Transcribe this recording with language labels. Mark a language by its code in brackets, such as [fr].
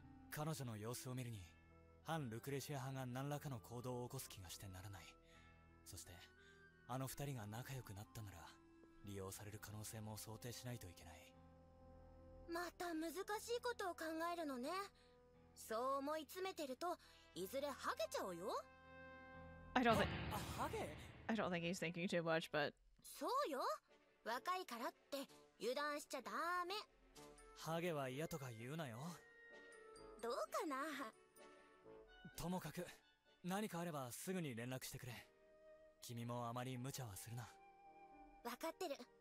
[ja] 彼女の様子を見るに反ルクレシア派が何らかの行動を起こす気がしてならない。そしてあの二人が仲良くなったなら利用される可能性も想定しないといけない。また難しいことを考えるのね。そう思い詰めてるといずれハゲちゃうよ。 [en] I don't think he's thinking too much, but. [ja] そうよ。若いからって油断しちゃダメ。ハゲは嫌とか言うなよ。どうかな。ともかく、何かあればすぐに連絡してくれ。君もあまり無茶はするな。わかってる。